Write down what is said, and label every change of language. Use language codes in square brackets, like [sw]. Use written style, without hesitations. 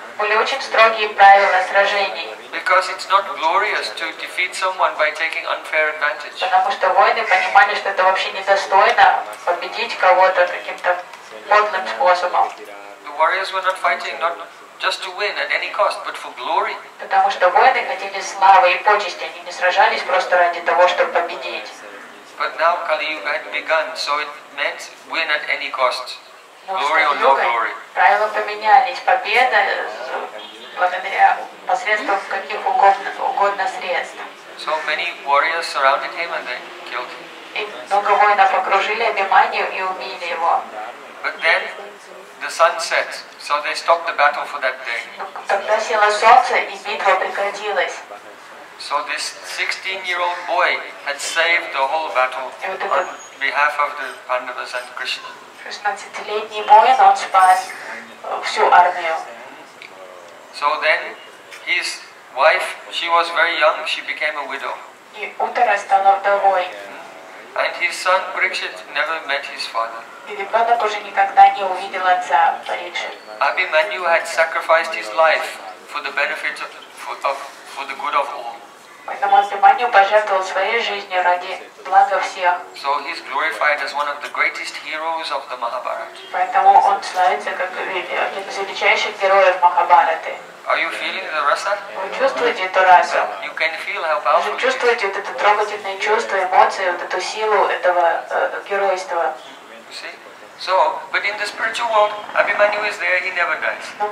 [ru] Были очень строгие правила сражений. [en] Because it's not glorious to defeat someone by taking unfair advantage. [ru] Потому что воины понимали, что это вообще недостойно победить кого-то каким-то подлым способом. [en] The warriors were not fighting not just to win at any cost, but for glory. [ru] Потому что воины хотели славы и почести, они не сражались просто ради того, чтобы победить. [en] But now Kali-Yuga had begun, so it meant win at any cost. Glory or no glory. [ru] Правила поменялись. Победа благодаря посредством каких угодно средств. [en] So many warriors surrounded him and they killed him. [ru] И много воинов окружили Абиманью и убили его. [en] But then the sun set, so they stopped the battle for that day. [ru] Тогда село солнце и битва прекратилась. [en] So this 16-year-old boy had saved the whole battle on behalf of the Pandavas and Krishna. [ru] 16-летний воин, он спас всю армию. [en] So then, his wife, she was very young, she became a widow. [ru] И Уттара стала вдовой. [en] And his son, Прикшит, never met his father. [ru] И ребенок уже никогда не увидел отца, Прикшит. [en] Абиманью had sacrificed his life for the benefit of, for the good of all. [ru] Поэтому Абиманью пожертвовал своей жизнью ради блага всех. [en] So he's glorified as one of the greatest heroes of the Mahabharata. [ru] Поэтому он славится как один из величайших героев Махабхараты. [en] Are you feeling the rasa? [ru] Вы чувствуете эту расу? [en] You can feel how powerful. [ru] Вы чувствуете вот это трогательное чувство, эмоции, вот эту силу этого геройства? [en] You see? So, but in the spiritual world, Abhimanyu is there, he never dies.